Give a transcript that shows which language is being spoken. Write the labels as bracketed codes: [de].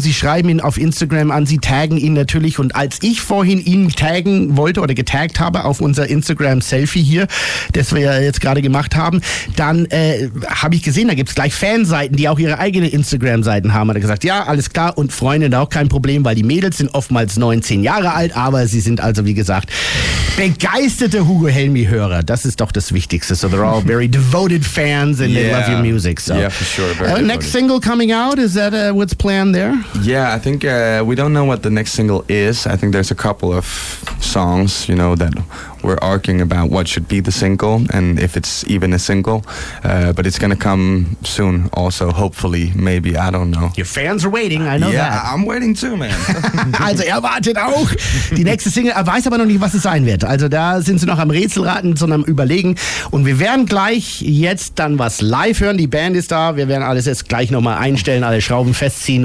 [de] Sie schreiben ihn auf Instagram an, sie taggen ihn natürlich. Und als ich vorhin ihn taggen wollte oder getaggt habe auf unser Instagram-Selfie hier, das wir ja jetzt gerade gemacht haben, dann habe ich gesehen, da gibt es gleich Fanseiten, die auch ihre eigene Instagram-Seiten haben. Hat er gesagt, ja, alles klar, und Freundin auch kein Problem, weil die Mädels sind oftmals 19 Jahre alt, aber sie sind also, wie gesagt, begeisterte Hugo Helmi-Hörer. Das ist doch das Wichtigste. [en] So they're all very devoted fans and they love your music. So. Yeah, for sure. Very next single coming out, is that what's planned there? Yeah, I think we don't know what the next single is. I think there's a couple of songs, you know, that we're arguing about what should be the single and if it's even a single. But it's going to come soon also, hopefully, maybe, I don't know. Your fans are waiting, I know yeah, that. Yeah, I'm waiting too, man. [de] Also wartet auch. Die nächste Single, weiß aber noch nicht, was es sein wird. Also da sind sie noch am Rätselraten, sondern am Überlegen. Und wir werden gleich jetzt dann was live hören. Die Band ist da. Wir werden alles jetzt gleich nochmal einstellen, alle Schrauben festziehen.